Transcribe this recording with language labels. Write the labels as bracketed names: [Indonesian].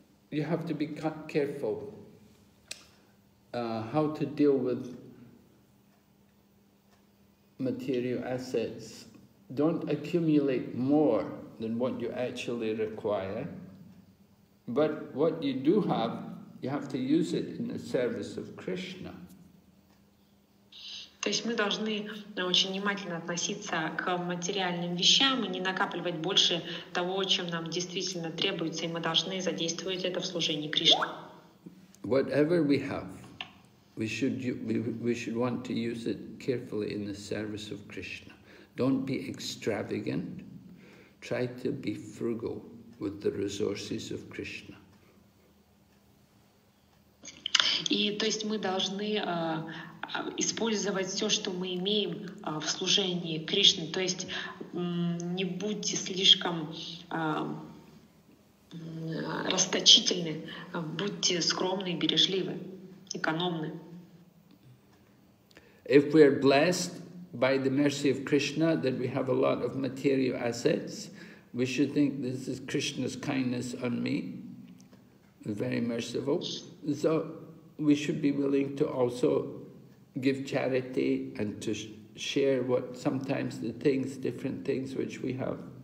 [English] You have to be careful how to deal with material assets. Don't accumulate more than what you actually require. But what you do have, you have to use it in the service of Krishna. [Russian] То есть мы должны очень внимательно относиться к материальным вещам и не накапливать больше того, чем нам действительно требуется, и мы должны задействовать это в служении Кришне. [English] Whatever we have, we should want to use it carefully in the service of Krishna. Don't be extravagant. Try to be frugal with the resources of Krishna. [Russian] И то есть мы должны использовать все, что мы имеем в служении Кришне. То есть не будьте слишком расточительны, будьте скромны, бережливы, экономны. [English] If we are blessed by the mercy of Krishna that we have a lot of material assets, we should think this is Krishna's kindness on me, very merciful. So we should be willing to also give charity and to share what sometimes the things, different things which we have.